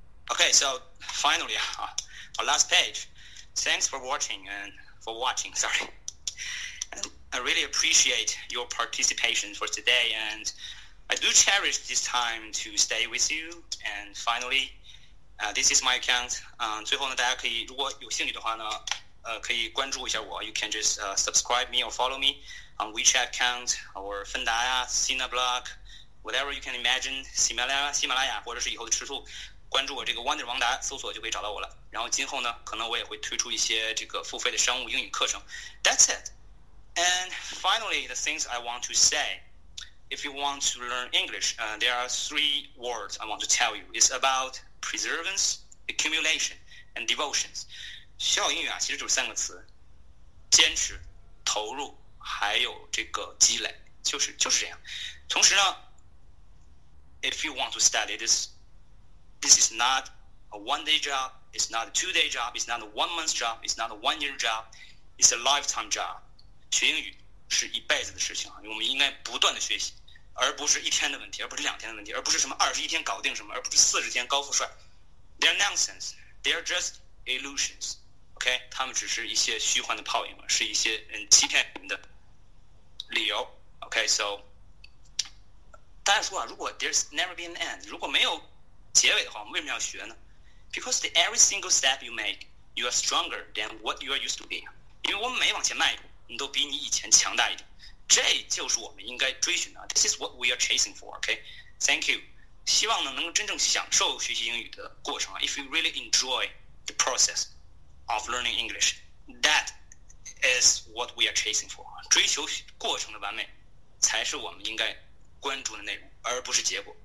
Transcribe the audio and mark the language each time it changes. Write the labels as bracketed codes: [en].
[en] Okay, so finally, our last page. Thanks for watching and for watching. Sorry, and I really appreciate your participation for today, and I do cherish this time to stay with you. And finally, this is my account. [zh] 最后呢，大家可以如果有兴趣的话呢。可以关注一下我 ， [en] You can just subscribe me or follow me on WeChat account or 芬达呀、Sina Blog, whatever you can imagine, [zh] 喜马拉雅或者是以后的吃兔，关注我这个 Wonder 王达，搜索就可以找到我了。然后今后呢，可能我也会推出一些这个付费的商务英语课程。 [en] That's it. And finally, the things I want to say, if you want to learn English, there are three words I want to tell you. It's about preservance, accumulation, and devotions. [zh] 学好英语啊，其实就是三个词：坚持、投入，还有这个积累，就是这样。同时呢 [en] ，if you want to study this is not a one day job, it's not a two day job, it's not a one month job, it's not a one year job, it's a lifetime job。 [zh] 学英语是一辈子的事情啊，我们应该不断的学习，而不是一天的问题，而不是两天的问题，而不是什么21天搞定什么，而不是40天高富帅。 [en] They're nonsense. They're just illusions. [zh] OK， 他们只是一些虚幻的泡影，是一些欺骗人的理由。 OK， so 大家说啊，如果 [en] there's never been an end， [zh] 如果没有结尾的话，我们为什么要学呢？ [en] Because every single step you make， you are stronger than what you are used to be。 [zh] 因为我们每往前迈一步，你都比你以前强大一点，这就是我们应该追寻的。 [en] This is what we are chasing for。 OK， thank you， [zh] 希望呢能够真正享受学习英语的过程。 [en] If you really enjoy the processof learning English, that is what we are chasing for. [zh] 追求过程的完美才是我们应该关注的内容，而不是结果。